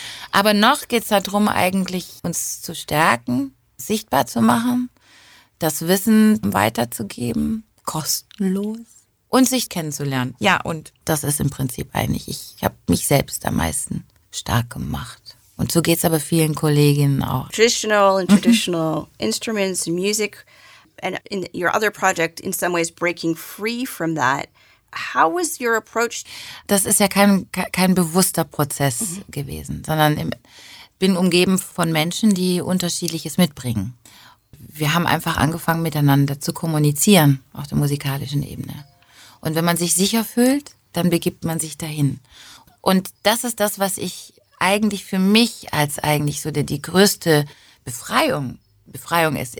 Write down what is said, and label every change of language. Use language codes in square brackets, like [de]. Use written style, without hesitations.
[de] Aber noch geht's darum, eigentlich uns zu stärken, sichtbar zu machen, das Wissen weiterzugeben, kostenlos und sich kennenzulernen. Ja, und das ist im Prinzip eigentlich, ich habe mich selbst am meisten stark gemacht. Und so geht's aber vielen Kolleginnen auch. [en] Traditional and traditional instruments and music and in your other project in some ways breaking free from that. How was your approach? [de] Das ist ja kein bewusster Prozess gewesen, sondern bin umgeben von Menschen, die Unterschiedliches mitbringen. Wir haben einfach angefangen, miteinander zu kommunizieren auf der musikalischen Ebene. Und wenn man sich sicher fühlt, dann begibt man sich dahin. Und das ist das, was ich eigentlich für mich als eigentlich so die größte Befreiung Befreiung ist.